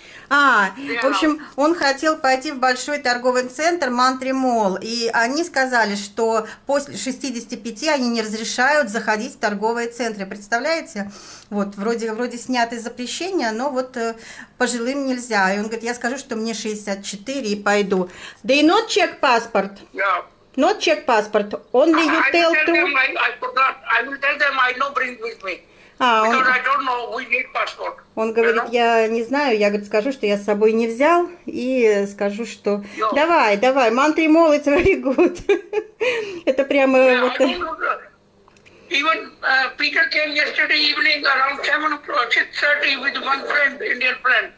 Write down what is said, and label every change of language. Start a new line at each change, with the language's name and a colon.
Russian: В общем, он хотел пойти в большой торговый центр Mantri Mall, и они сказали, что после 65 они не разрешают заходить в торговые центры. Представляете? Вот, вроде снято запрещение, но вот пожилым нельзя. И он говорит, я скажу, что мне 64 и пойду.
English: They not check passport. Yeah. Not check passport. Only you tell to... I will tell them I no bring with me. Because I don't know, we need passport.
Russian: Он говорит, я не знаю. Я, говорит, скажу, что я с собой не взял. И скажу, что...
English: No.
Russian: Давай. Mantri Mall,
English: it's very good.
Russian: Это прямо...
English: Yeah,
Russian: вот...
English: Even Peter came yesterday evening around 7:30 with one friend, Indian friend.